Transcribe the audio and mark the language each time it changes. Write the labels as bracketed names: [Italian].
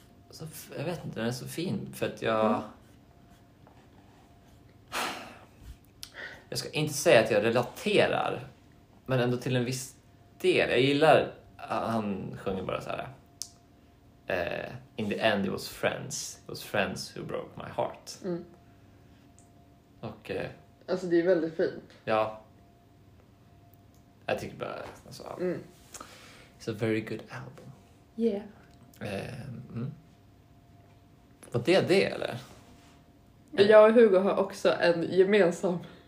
[Swedish] Så, jag vet inte, den är så fin. För att jag... Mm. Jag ska inte säga att jag relaterar, men ändå till en viss del. Jag gillar han sjunger bara så här. [English] In the end it was friends. It was friends who broke my heart. Mm. [Swedish] Och alltså det är väldigt fint. Ja. Jag tycker bara alltså. Mm. [English] It's a very good album. Yeah. [Swedish] Var det det eller? Jag och Hugo har också en gemensam